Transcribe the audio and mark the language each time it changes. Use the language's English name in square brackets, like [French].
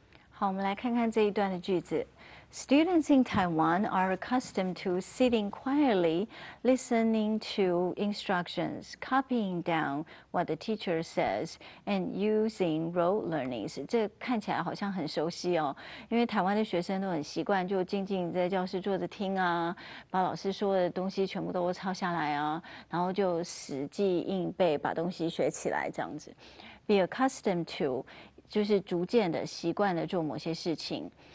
[Chinese] 好，我们来看看这一段的句子。 [English] Students in Taiwan are accustomed to sitting quietly, listening to instructions, copying down what the teacher says, and using rote learning. [Chinese] 这看起来好像很熟悉哦，因为台湾的学生都很习惯就静静在教室坐着听啊，把老师说的东西全部都抄下来啊，然后就死记硬背，把东西学起来这样子。 [English] Be accustomed to [Chinese] 就是逐渐的习惯的做某些事情。